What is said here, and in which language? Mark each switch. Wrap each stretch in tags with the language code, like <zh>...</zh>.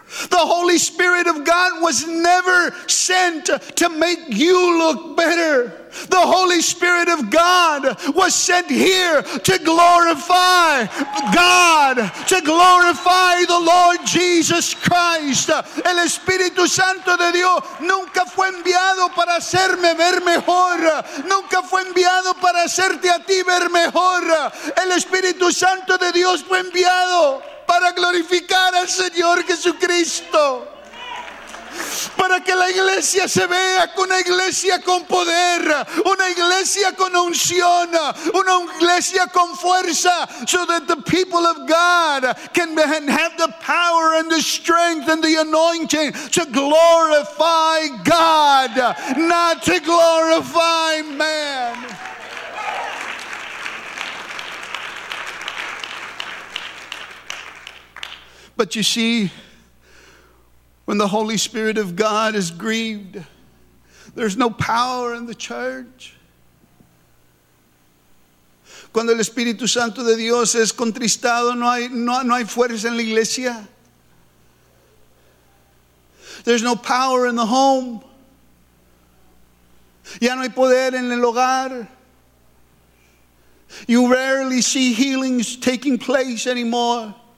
<en>The Holy Spirit of God was never sent to make you look better. The Holy Spirit of God was sent here to glorify God, to glorify the Lord Jesus Christ.</en> <es>El Espíritu Santo de Dios nunca fue enviado para hacerme ver mejor. Nunca fue enviado para hacerte a ti ver mejor. El Espíritu Santo de Dios fue enviado para glorificar al Señor Jesucristo. Para que la iglesia se vea como una iglesia con poder, una iglesia con unción, una iglesia con fuerza,</es> <en>so that the people of God can have the power and the strength and the anointing to glorify God, not to glorify man. But you see, when the Holy Spirit of God is grieved, there's no power in the church.</en> <es>Cuando el Espíritu Santo de Dios es contristado, no hay fuerza en la iglesia.</es> <en>There's no power in the home.</en> <es>Ya no hay poder en el hogar.</es> <en>You rarely see healings taking place anymore.</en>